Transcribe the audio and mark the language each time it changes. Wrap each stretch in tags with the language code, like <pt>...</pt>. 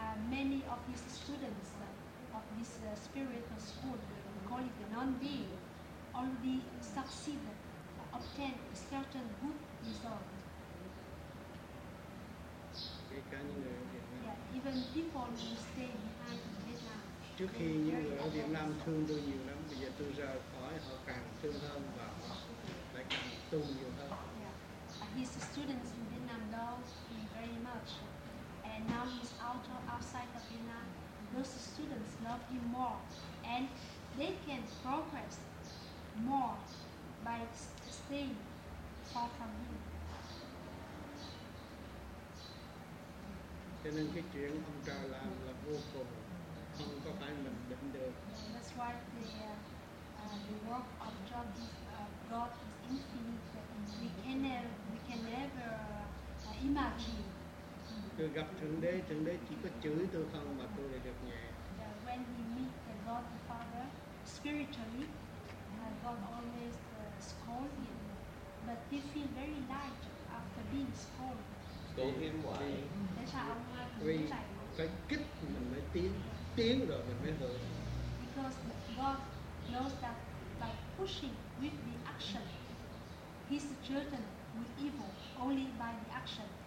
<en>Many of these students of this spiritual school, we call it the non-being, already succeeded, obtained a certain good result. Yeah, even people who stay behind in Vietnam.</en> <vi>Trước khi những người ở Việt Nam thương tôi nhiều lắm, bây giờ tôi rời khỏi, họ càng thương hơn và họ lại càng tu nhiều hơn.</vi> <en>Yeah. His students in Vietnam love him very much. And now he's outside of Vietnam. Those students love him more. And they can progress more by staying far from him.</en> <vi>Cho nên cái chuyện ông trời làm là vô cùng. Không có phải mình định được.</vi> <en>That's why the work of God is infinite. We can never imagine.</en> <vi>Tôi gặp Thượng Đế chỉ có chửi tôi không mà tôi lại được nhẹ.</vi> <en>When we meet the God the Father, spiritually, God always scold him. But he feel very light after being scolded. Scold him why?</en> <vi>Vì phải kích mình mới tiến. Tiến rồi mình mới hưởng.</vi> <en>Because God knows that by pushing with the action, his children will evil only by the action.</en>